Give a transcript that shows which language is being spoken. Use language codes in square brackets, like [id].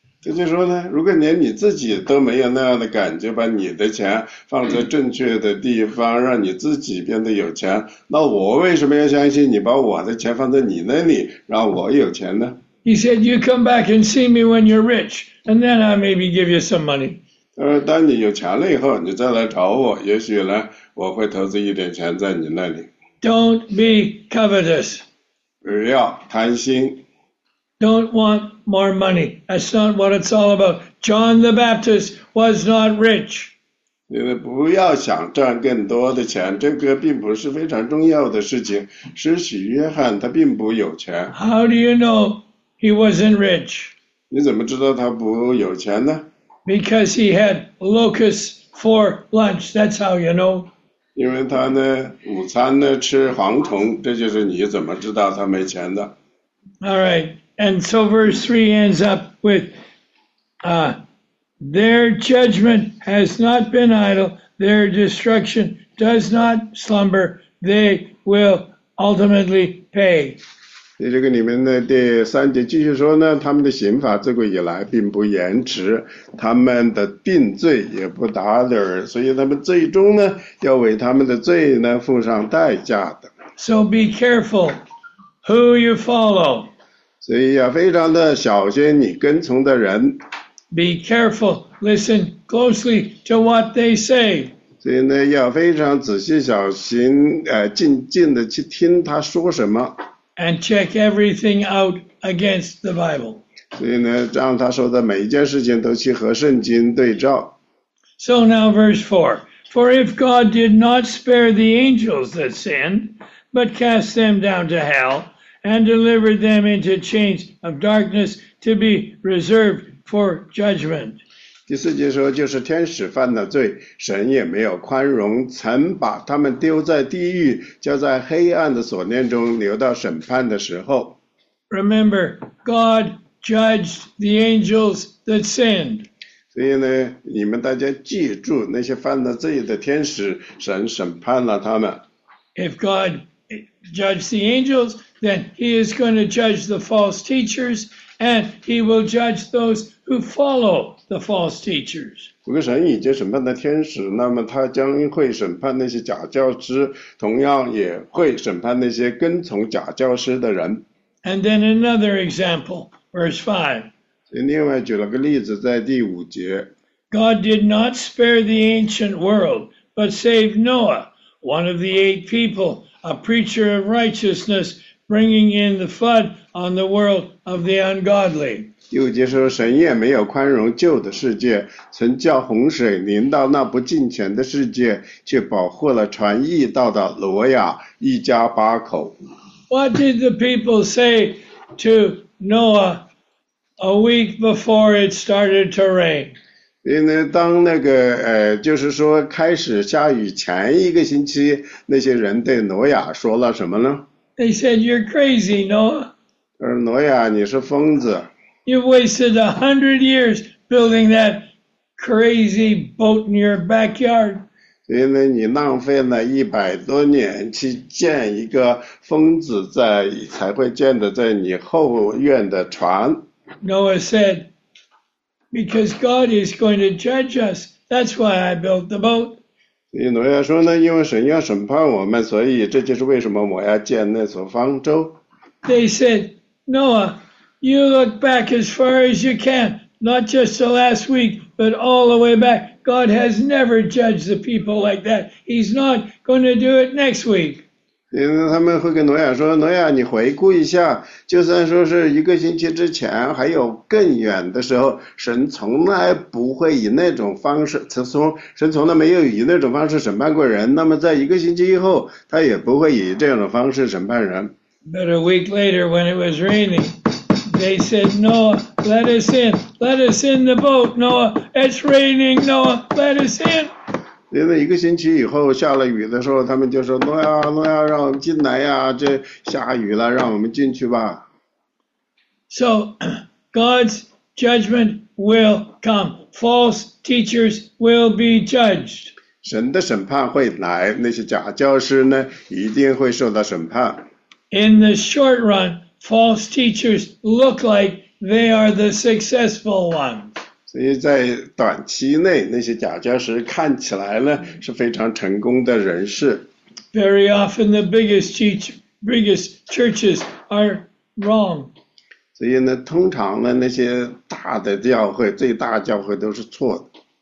[zh] 他就说呢，如果连你自己都没有那样的感觉，把你的钱放在正确的地方，让你自己变得有钱，那我为什么要相信你把我的钱放在你那里，让我有钱呢？ [en] He said, "You come back and see me when you're rich, and then I maybe give you some money." [zh] 他说："当你有钱了以后，你再来找我，也许呢，我会投资一点钱在你那里。 [en] Don't be covetous. [zh] 不要贪心。 [en] Don't want more money. That's not what it's all about. John the Baptist was not rich." [zh] 你们不要想赚更多的钱，这个并不是非常重要的事情。施洗约翰他并不有钱。 [en] How do you know he wasn't rich? [zh] 你怎么知道他不有钱呢？ [en] Because he had locusts for lunch, that's how you know. [zh] 因为他呢，午餐呢，吃蝗虫，这就是你怎么知道他没钱的。 [en] All right, and so verse 3 ends up with, their judgment has not been idle, their destruction does not slumber, they will ultimately pay. [zh] 你这个里面的第三节继续说呢，他们的刑罚自古以来并不延迟，他们的定罪也不打盹儿，所以他们最终呢要为他们的罪呢付上代价的。 [en] So be careful who you follow. [zh] 所以要非常的小心你跟从的人。 [en] Be careful, listen closely to what they say. [zh] 所以呢要非常仔细小心，静静的去听他说什么。 [en] And check everything out against the Bible. [zh] 所以呢，让他说的每一件事情都去和圣经对照。 [en] So now verse 4. For if God did not spare the angels that sinned, but cast them down to hell, and delivered them into chains of darkness to be reserved for judgment. [zh] 第四节说，就是天使犯了罪，神也没有宽容，曾把他们丢在地狱，就在黑暗的锁链中留到审判的时候。 [en] Remember, God judged the angels that sinned. [zh] 所以呢，你们大家记住，那些犯了罪的天使，神审判了他们。 [en] If God judged the angels, then he is going to judge the false teachers, and he will judge those who follow the false teachers. [zh] 如果神已经审判了天使，那么他将会审判那些假教师，同样也会审判那些跟从假教师的人。 [en] And then another example, verse 5. [zh] 所以另外举了个例子，在第五节。 [en] God did not spare the ancient world, but saved Noah, one of the eight people, a preacher of righteousness, bringing in the flood on the world of the ungodly. [zh] 又接受神也没有宽容旧的世界，曾叫洪水临到那不敬虔的世界，却保护了传义道的挪亚一家八口。 [en] What did the people say to Noah a week before it started to rain? [zh] 因为当那个就是说开始下雨前一个星期，那些人对挪亚说了什么呢 [en] ？They said, "You're crazy, Noah." [zh] 而挪亚，你是疯子。 [en] You've wasted 100 years building that crazy boat in your backyard. [zh] 所以呢，你浪费了100多年去建一个疯子在才会建的在你后院的船。 [en] Noah said, "Because God is going to judge us, that's why I built the boat." [zh] 所以挪亚说呢，因为神要审判我们，所以这就是为什么我要建那艘方舟。 [en] They said, "Noah, you look back as far as you can, not just the last week, but all the way back. God has never judged the people like that. He's not going to do it next week." [zh] 因为他们会跟挪亚说，挪亚，你回顾一下，就算说是一个星期之前，还有更远的时候，神从来不会以那种方式，神从来没有以那种方式审判过人。那么在一个星期以后，他也不会以这样的方式审判人。 [en] But a week later, when it was raining, they said, Noah, let us in. Let us in the boat, Noah. It's raining, Noah. Let us in. [zh] 因为一个星期以后下了雨的时候，他们就说，诺亚，诺亚，让我们进来呀，这下雨了，让我们进去吧。 [en] So, God's judgment will come. False teachers will be judged. [zh] 神的审判会来，那些假教师呢，一定会受到审判。 [en] In the short run, false teachers look like they are the successful ones. [zh] 所以在短期内，那些假教师看起来呢是非常成功的人士。 [en] Very often the biggest churches are wrong. [zh] 所以呢，通常呢，那些大的教会，最大教会都是错的。